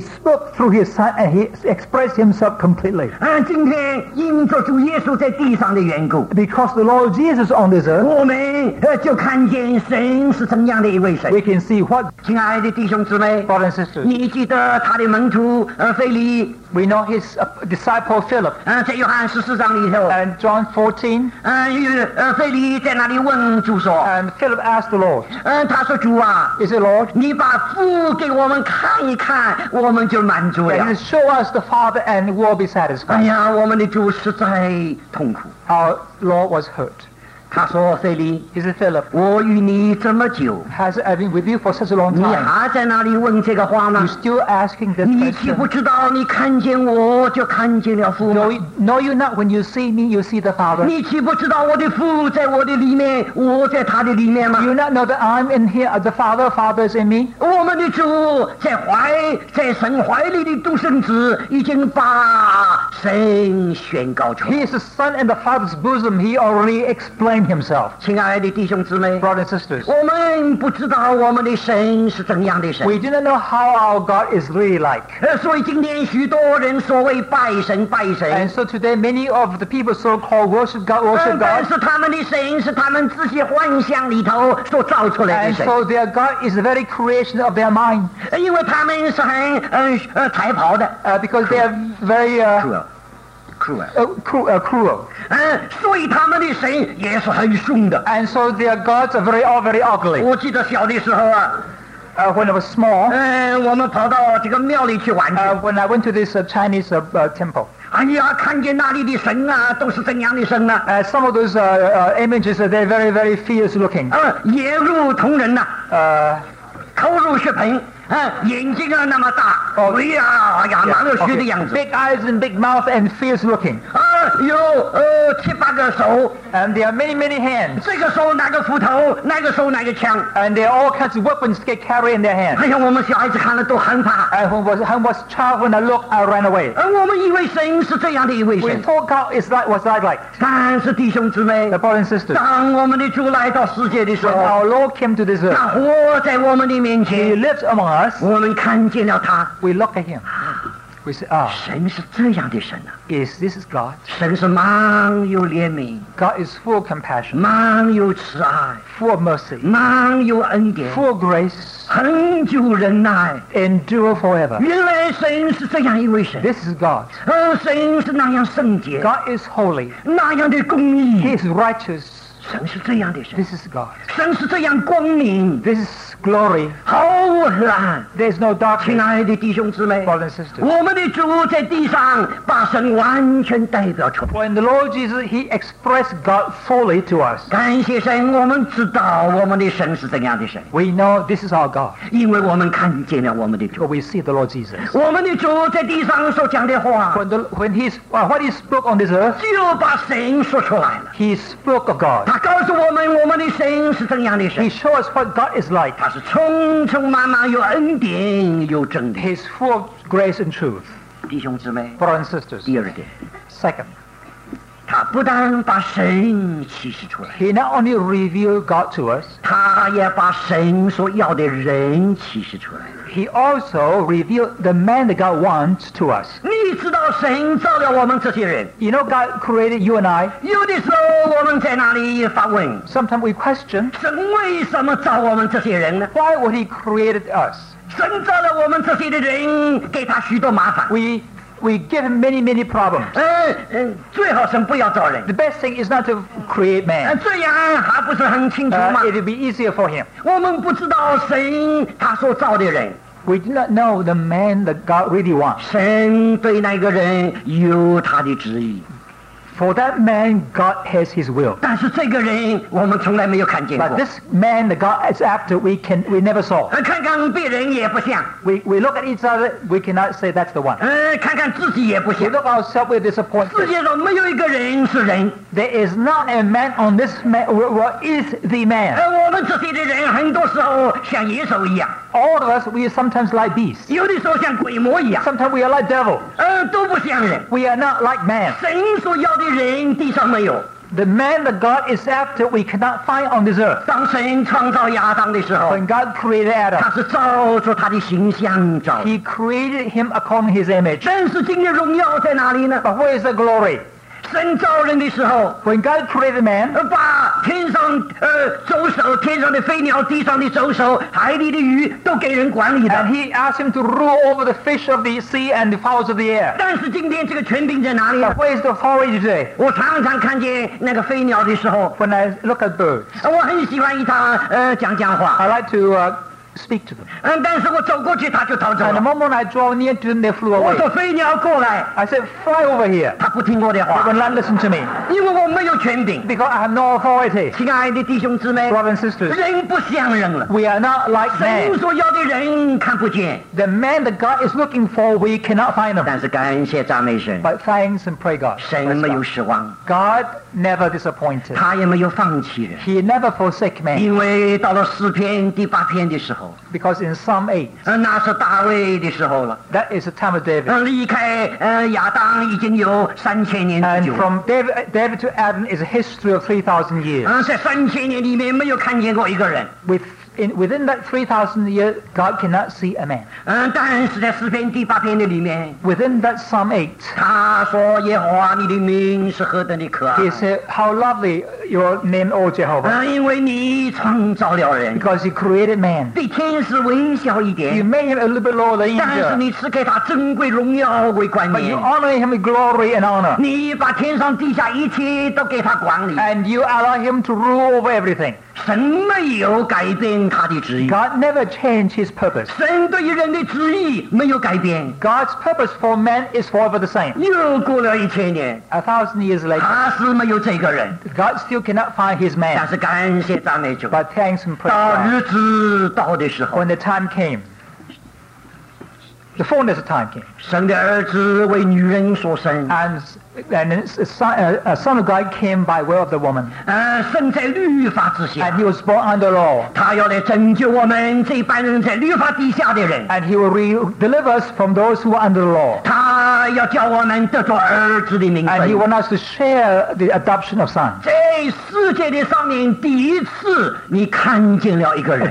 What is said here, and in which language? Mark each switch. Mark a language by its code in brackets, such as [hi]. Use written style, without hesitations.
[en] he spoke through his son and he expressed himself completely. [zh] 今天因着主耶稣在地上的缘故, [en] because the Lord Jesus on this earth, [zh] 我们就看见神是怎么样的一位神。 [en] We can see what, [zh] 亲爱的弟兄姊妹, [en] brother and sister, [zh] 你记得他的门徒, 菲利, [en] we know his disciple Philip, [zh] 在约翰14章里头, [en] and John 14, [zh] 菲利在那里问主说, [en] and Philip asked the Lord, [zh] 他说主啊, [en] he said, Lord, [zh] 你把父给我们看一看, 我们就满足了。 [en] And show us the Father and we'll be satisfied. [zh] 哎呀, 我们的主实在痛苦。 [en] Our Lord was hurt. [zh] 他说菲利, [en] he said, Philip, [zh] 我与你这么久, [en] has I been with you for such a long time? [zh] 你还在那里问这个话呢? [en] You're still asking this [zh] 你岂不知道你看见我就看见了父吗? [en] Know you not when you see me, you see the Father? [zh] 你岂不知道我的父在我的里面, 我在他的里面吗? [en] You not know that I'm in here, the Father, Father is in me? [zh] 我们的主在怀, 在神怀里的独生子, 已经把神宣告出来。 [en] He is the Son in the Father's bosom, he already explained himself. [zh] 亲爱的弟兄姊妹, [en] brothers and sisters, [zh] 我们不知道我们的神是怎样的神。 [en] We do not know how our God is really like. [zh] 所以今天许多人所谓拜神拜神。 [en] And so today many of the people so called worship God, worship God. [zh] 但是他们的神是他们自己幻想里头所造出来的神。 [en] And so their God is the very creation of their mind. [zh] 因为他们是很财宝的。 [en] Because they are very cruel. [zh] 所以他们的神也是很凶的。 [en] And so their gods are very, very ugly. [zh] 我记得小的时候啊, [en] When I was small, [zh] 我们跑到这个庙里去玩去。 [en] When I went to this Chinese temple, [zh] 哎呀, 看见那里的神啊, 都是怎样的神啊? [en] Some of those images, they're very, very fierce looking. [zh] 也如同人啊, 口如血盆, 眼睛啊那么大, 哎呀, 哎呀, 蛮有趣的样子。 [en] Big eyes and big mouth and fierce looking. [zh] 有七八个手, [en] and there are many, many hands. [zh] 这个手拿个斧头, 那个手拿个枪, [en] and there are all kinds of weapons they carry in their hands. [zh] 哎呀,我们小孩子看了都很怕, [en] and when I was child, when I looked, I ran away. [zh] 我们以为神是这样的一位神。 [en] We thought God is like, was that like? [zh] 但是弟兄姊妹, [en] the brothers and sisters, [zh] 当我们的主来到世界的时候, [en] when our Lord came to this earth, [zh] 他活在我们的面前, [en] He lives among us. [zh] 我们看见了他, [en] we look at Him. We say, ah, [zh] 神是这样的神啊, [en] yes, this is God. [zh] 神是满有怜悯, [en] God is full of compassion, [zh] 满有慈爱, [en] full of mercy, [zh] 满有恩典, [en] full of grace, [zh] 恒久忍耐, [en] endure forever. [zh] 原来神是这样一位神, [en] this is God. [zh] 神是那样圣洁, [en] God is holy, [zh] 那样的公义, [en] He is righteous. [zh] 神是这样的神, [en] this is God. [zh] 神是这样光明, [en] this is glory. [zh] 毫无黑暗, [en] there's no darkness. [zh] 亲爱的弟兄姊妹, [en] brothers and sisters, [zh] 我们的主在地上把神完全代表出来, [en] when the Lord Jesus, He expressed God fully to us. [zh] 感谢神, [en] we know this is our God, [zh] 因为我们看见了我们的主, [en] when we see the Lord Jesus. [zh] 我们的主在地上所讲的话, [en] when he spoke on this earth, [zh] 就把神说出来了, [en] He spoke of God. [zh] 他告诉我们我们的神是怎样的神, [en] He showed us what God is like. [zh] 他是充充满满有恩典有真理, [en] He is full of grace and truth. [zh] 弟兄姊妹, [en] brothers and sisters, [zh] 第二点, [en] second, [zh] 他不但把神启示出来, [en] He not only revealed God to us, [zh] 他也把神所要的人启示出来, [en] He also revealed the man that God wants to us. [zh] 你知道神造了我们这些人, [en] you know God created you and I. [zh] 有的时候我们在那里发问, [en] sometimes we question, [zh] 神为什么造我们这些人呢? [en] Why would He create us? [zh] 神造了我们这些人给他许多麻烦, [en] we give Him many, many problems. [zh] 最好神不要造人, [en] the best thing is not to create man. [zh] 这样还不是很清楚吗? [en] It would be easier for Him. [zh] 我们不知道神他所造的人, [en] we do not know the man that God really wants. [zh] 神对那个人有他的旨意, [en] for that man, God has His will. [zh] 但是这个人我们从来没有看见过, [en] but this man that God is after, we never saw. [zh] 看看别人也不像, [en] we look at each other, we cannot say that's the one. [zh] 看看自己也不像, [en] we look ourselves, we're disappointed. [zh] 世界上没有一个人是人, [en] there is not a man on this world who is the man. [zh] 我们这些的人很多时候像野兽一样, [en] all of us, we are sometimes like beasts. [zh] 有的时候像鬼魔一样, [en] sometimes we are like devil. [zh] 都不像人, [en] we are not like man. [zh] 神所要 地上没有, [en] the man that God is after, we cannot find on this earth. [zh] 当神创造亚当的时候, [en] when God created Adam, [zh] 他是照着他的形象造, [en] He created him according to His image. [zh] 但是今天荣耀在哪里呢? [en] But where is the glory? [zh] 神造人的时候, [en] when God created man, [zh] 把天上走兽天上的飞鸟地上的走兽海里的鱼都给人管理的, [en] and He asked Him to rule over the fish of the sea and the fowls of the air. [zh] 但是今天这个权柄在哪里? [en] But where is the authority today? [zh] 我常常看见那个飞鸟的时候, [en] when I look at birds, [zh] 我很喜欢与他讲讲话, [en] I like to speak to them. [zh] 但是我走过去他就逃走了, [en] and the moment I draw near to them, they flew away. [zh] 我说飞鸟过来, [en] I said, fly over here. [zh] 他不听我的话, [en] but not listen to me. [zh] 因为我没有权柄, [en] because I have no authority. [zh] 亲爱的弟兄姊妹, [en] brothers and sisters, [zh] 人不像人了, [en] we are not like man. [zh] 神所要的人看不见, [en] the man that God is looking for, we cannot find him. [zh] 但是感谢赞美神, [en] but thanks and pray God. [zh] 神没有失望, [en] God never disappointed. [zh] 他也没有放弃人, [en] He never forsake man. [zh] 因为到了诗篇第八篇的时候, [en] because in Psalm 8, [zh] 那是大卫的时候了, [en] that is the time of David, [zh] 离开, 亚当已经有3000年之久, [en] and from David to Adam is a history of 3,000 years. [zh] 在3000年里面没有看见过一个人, [en] within that 3,000 years, God cannot see a man. [zh] 但是在诗篇第八篇的里面, [en] within that Psalm 8, [zh] 他说耶和华你的名是何等的可爱, [en] He said, how lovely your name, O Jehovah. [zh] 因为你创造了人, [en] because you created man. [zh] 比天使微小一点, [en] you made him a little bit lower than angel. [zh] 但是你赐给他珍贵荣耀为冠冕, [en] but you honor him with glory and honor. [zh] 你把天上地下一切都给他管理, [en] and you allow him to rule over everything. [zh] 神没有改变他的旨意, [en] God never changed His purpose. [zh] 神对人的旨意没有改变, [en] God's purpose for man is forever the same. [zh] 又过了1000年, [en] a thousand years later, [zh] 他是没有这个人, [en] God still cannot find His man. [zh] 但是感谢赞美主, [en] but thanks and praise [zh] God. 到日子到的时候, [en] when the time came, The fullness of time came. [zh] 神的儿子为女人所生, [en] and a son of God came by way of the woman. [zh] 生在律法之下, [en] and he was born under law. [zh] 他要来拯救我们这一般人在律法底下的人, [en] and he will deliver us from those who are under the law. [zh] 他要叫我们得着儿子的名分, [en] and he wants us to share the adoption of son. [zh] 在世界的上面第一次你看见了一个人,